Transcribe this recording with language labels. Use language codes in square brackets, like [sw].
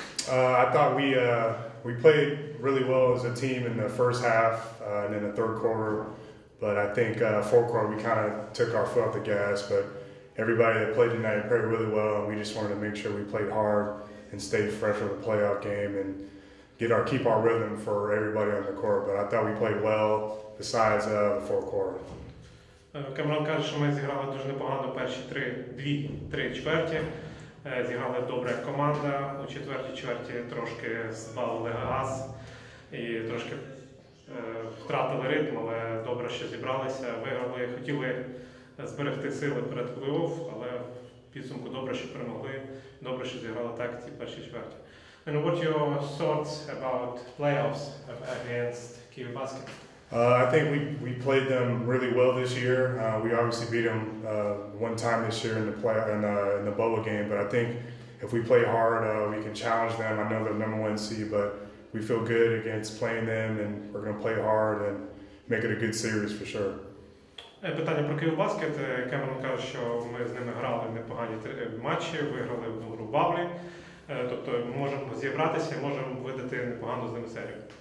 [en] I thought we played really well as a team in the first half and in the third quarter, but I think fourth quarter we kind of took our foot off the gas. But everybody that played tonight played really well, and we just wanted to make sure we played hard and stayed fresh for the playoff game and keep our rhythm for everybody on the court. But I thought we played well besides the fourth quarter. [uk] Камерон каже, що ми зіграли дуже непогано перші дві-три чверті. Зіграли добре команда. У четвертій чверті трошки збавили газ і трошки втратили ритм, але добре, що зібралися. Виграли, хотіли зберегти сили перед плей-офф, але в підсумку добре, що перемогли. Добре, що зіграли так ці перші чверті. [en] And what your thoughts about playoffs against Kyiv Basket? I think we played them really well this year. We obviously beat them one time this year in the bubble game, but I think if we play hard, we can challenge them. I know they're number one seed, but we feel good against playing them, and we're going to play hard and make it a good series for sure. [uk] Питання про Київ Баскет. Кемерон каже, що ми з ними грали непогані матчі, виграли в гру баблі. Тобто можемо зібратися, можемо видати непогану з ними серію.